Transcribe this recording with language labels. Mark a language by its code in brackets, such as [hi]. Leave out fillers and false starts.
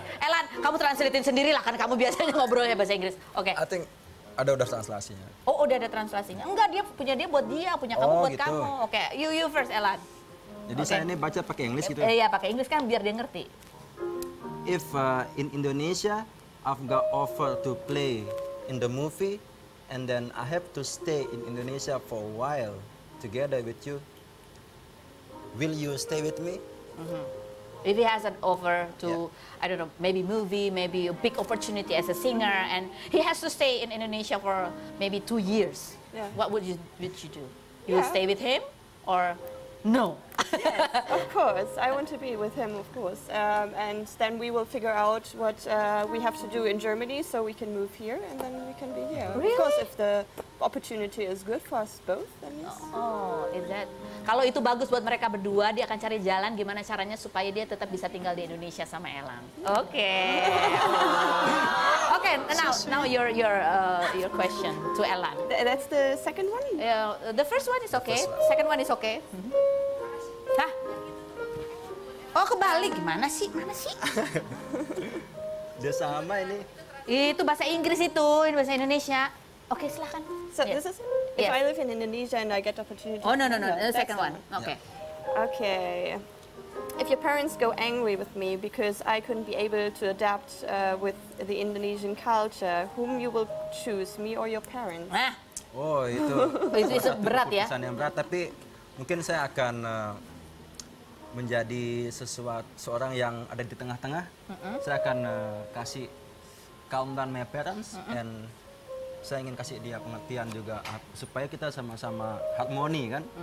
[id] Elan, kamu translatein sendirilah kan kamu biasanya ngobrolnya bahasa Inggris. [en] Okay. I think [id] udah translasinya. Oh, udah ada translasinya. Enggak, dia punya dia buat dia, punya kamu buat gitu. Kamu. [en] Okay, you first, Elan. [id] Jadi saya ini baca pakai Inggris gitu. Iya, pakai Inggris kan biar dia ngerti. [en] If in Indonesia I've got offer to play in the movie and then I have to stay in Indonesia for a while together with you. Will you stay with me? Mm-hmm. If he has an offer to I don't know, maybe movie, maybe a big opportunity as a singer and he has to stay in Indonesia for maybe 2 years. Yeah. What would you do? You would stay with him or no? Yes, of course. I want to be with him, of course. And then we will figure out what we have to do in Germany so we can move here and then we can be here. Really? Of course, if the opportunity is good for us both, then yes. Oh, is that? [id] Kalau itu bagus buat mereka berdua, dia akan cari jalan gimana caranya supaya dia tetap bisa tinggal di Indonesia sama Elang. [en] Oke. Okay. Okay, now your question to Elang. That's the second one? The first one is okay. Second one is okay. Mm-hmm. [id] Hah? Oh, kebalik. Gimana sih? Mana sih? Dia sama ini. Itu bahasa Inggris itu, ini bahasa Indonesia. Oke, silakan. [en] So, this is if I live in Indonesia and I get opportunity. Oh, no. The second one. Okay. Yeah. Okay. If your parents go angry with me because I couldn't be able to adapt with the Indonesian culture, whom you will choose, me or your parents? [id] Oh, itu. Itu berat, berat ya. Pesan yang berat, tapi mungkin saya akan menjadi seorang yang ada di tengah-tengah. Mm-hmm. Saya akan kasih [en] calm down my parents, mm-hmm. and [id] saya ingin kasih dia pengertian juga supaya kita sama-sama harmoni kan.